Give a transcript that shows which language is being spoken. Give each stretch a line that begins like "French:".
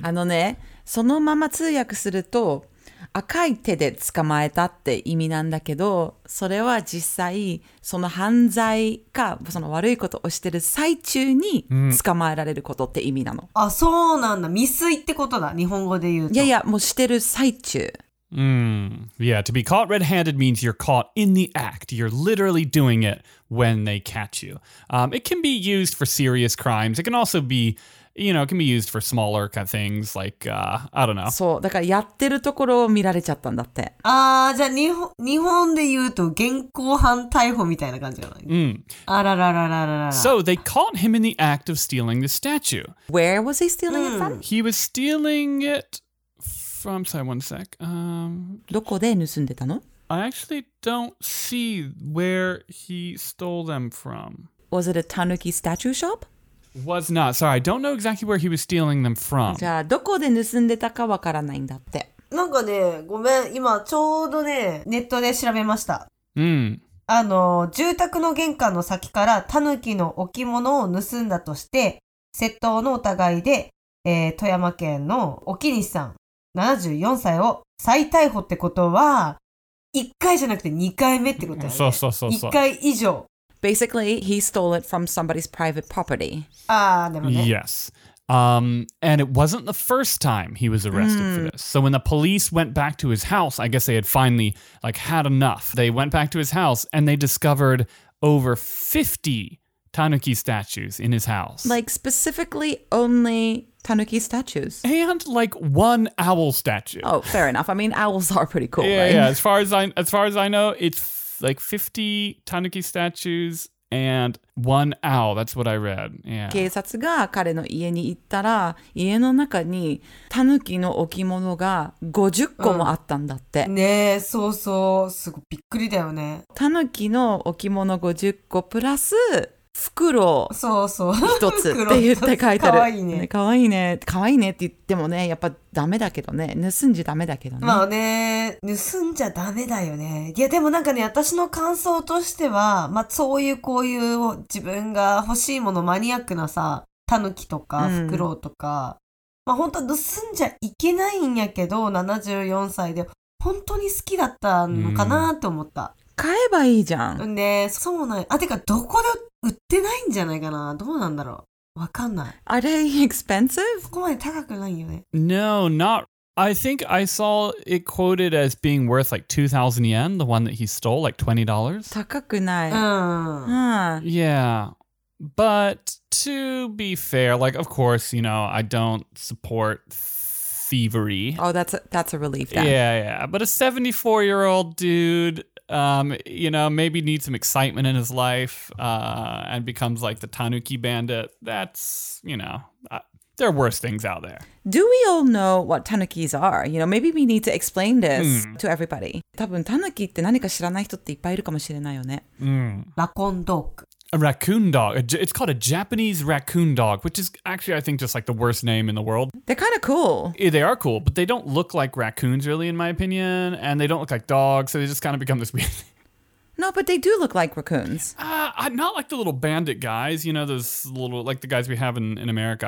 Japanese: あのね、そのまま通訳すると、赤い手で捕まえたって意味なんだけど、それは実際、その犯罪か、その悪いことをしてる最中に捕まえられることって意味なの。うん、あ、そうなんだ。未遂ってことだ。日本語で言うと。いやいや、もうしてる最中。
English: Yeah, to be caught red-handed means you're caught in the act. You're literally doing it when they catch you. It can be used for serious crimes. It can also be, you know, it can be used for smaller kind of things like, I don't know.
Japanese: そう、だからやってるところを見られちゃったんだって。あー、じゃあ日本で言うと現行犯逮捕みたいな感じじゃない? うん。あらららららら。
English: So they caught him in the act of stealing the statue. Where was he stealing it from? He was stealing it... I'm sorry, one sec.
Japanese: どこで盗んでたの?
English: I actually don't see where he stole them from. Was it a tanuki statue shop? Was not. Sorry, I don't know exactly where he was stealing them from.
Japanese: じゃあ、どこで盗んでたかわからないんだって。なんかね、ごめん、今ちょうどね、ネットで調べました。うん。あの、住宅の玄関の先からタヌキの置物を盗んだとして、窃盗の疑いで、富山県の沖西さん。 74歳を再逮捕ってことは1回じゃなくて2回目ってことだね。そうそうそうそう。 1回以上。
English: Basically, he stole it from somebody's private property.
Japanese: ああ、でもね。
English: Yes. And it wasn't the first time he was arrested for this. So when the police went back to his house, I guess they had finally, like, had enough. They went back to his house and they discovered over 50 tanuki statues in his house. Like, specifically only... Tanuki statues. And like one owl statue. Oh, fair enough. I mean, owls are pretty cool, yeah, right? Yeah, yeah. As far as I know, it's like 50 tanuki statues and one owl. That's what I read. Yeah.
Japanese: 警察が彼の家に行ったら、家の中にタヌキの置物が50個もあったんだって。ねえ、そうそう。すごいびっくりだよね。タヌキの置物50個プラス、袋そうそう一つって言って書いてある。かわいいね。かわいいね。かわいいねって言ってもね、やっぱダメだけどね。盗んじゃダメだけどね。まあね、盗んじゃダメだよね。いやでもなんかね、私の感想としては、まあそういうこういう自分が欲しいものマニアックなさ、タヌキとか袋とか、うん、まあ本当は盗んじゃいけないんやけど、74歳で本当に好きだったのかなと思った。うん買えばいいじゃん。ね、そうない。あ、てか、どこで売ってないんじゃないかな。どうなんだろう。わかんない。
English: Are they expensive?
Japanese: ここまで高くないよね。
English: No, not... I think I saw it quoted as being worth like 2,000 yen, the one that he stole, like $20.
Japanese: 高くない。うん。
English: Yeah. But to be fair, like, of course, you know, I don't support thievery. Oh, that's a relief. Then. Yeah, yeah. But a 74-year-old dude, you know, maybe needs some excitement in his life and becomes like the Tanuki bandit. That's, you know, there are worse things out there. Do we all know what Tanukis are? You know, maybe we need to explain this to everybody.
Japanese: 多分 Tanuki って何か知らない人っていっぱいいるかもしれないよね。
English: ラコンドッグ。 A raccoon dog. It's called a Japanese raccoon dog, which is actually, I think, just like the worst name in the world. They're kind of cool. Yeah, they are cool, but they don't look like raccoons, really, in my opinion. And they don't look like dogs, so they just kind of become this weird... No, but they do look like raccoons. Not like the little bandit guys, you know, those little, like the guys we have in America.